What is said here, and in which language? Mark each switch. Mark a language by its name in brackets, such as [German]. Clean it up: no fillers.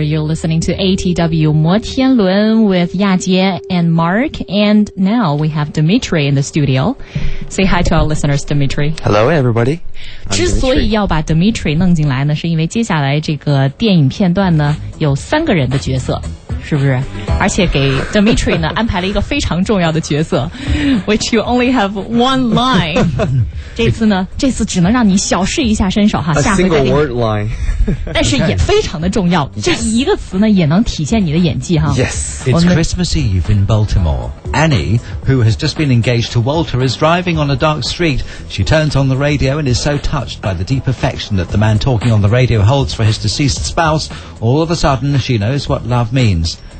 [English] You're listening to ATW 摩天轮 with 亚杰 and Mark. And now we have Dimitri in the studio. Say hi to our listeners, Dimitri. Hello, everybody. [Chinese] 之所以要把 Dimitri 弄进来呢，是因为接下来这个电影片段呢，有三个人的角色，是不是？而且给 Dimitri 呢安排了一个非常重要的角色 ， [English] which you only have one line. [Chinese] 这次呢，这次只能让你小试一下身手哈， A、下回再给。 [English] Single word line. [Chinese] 但是也非常的重要， [English] okay. [Chinese] 这一个词呢也能体现你的演技哈。 [English] Yes, it's Christmas Eve in Baltimore. Annie, who has just been engaged to Walter, is driving on a dark street. She turns on the radio and is so touched by the deep affection that the man talking on the radio holds for his deceased spouse. All of a sudden, she knows what love means.